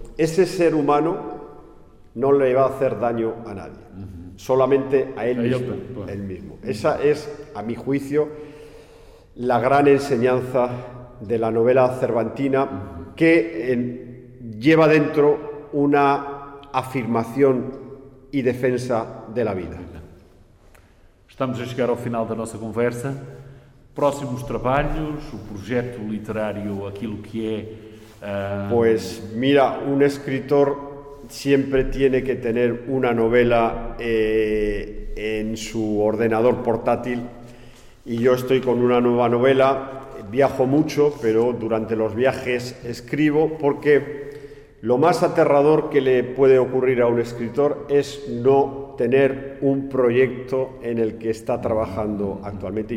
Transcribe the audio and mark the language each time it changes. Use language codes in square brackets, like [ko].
[es] Ese ser humano no le va a hacer daño a nadie, solamente a él mismo. Él mismo. Esa es, a mi juicio, la gran enseñanza de la novela cervantina, que lleva dentro una afirmación y defensa de la vida. [pt] Estamos a chegar ao final da nossa conversa. Próximos trabalhos, o projeto literário, aquilo que é... [es] Pues mira, un escritor siempre tiene que tener una novela en su ordenador portátil, y yo estoy con una nueva novela. Viajo mucho, pero durante los viajes escribo, porque lo más aterrador que le puede ocurrir a un escritor es no tener un proyecto en el que está trabajando actualmente.